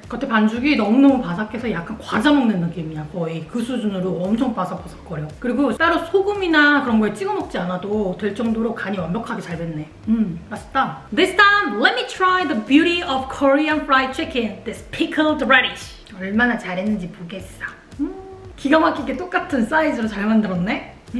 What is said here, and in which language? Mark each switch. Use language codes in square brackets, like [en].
[ko] 겉에 반죽이 너무너무 바삭해서 약간 과자 먹는 느낌이야. 거의 그 수준으로 엄청 바삭바삭거려. 그리고 따로 소금이나 그런 거에 찍어 먹지 않아도 될 정도로 간이 완벽하게 잘 됐네. 맛있다. [en] This time, let me try the beauty of Korean fried chicken. This pickled radish. [ko] 얼마나 잘했는지 보겠어. 기가 막히게 똑같은 사이즈로 잘 만들었네.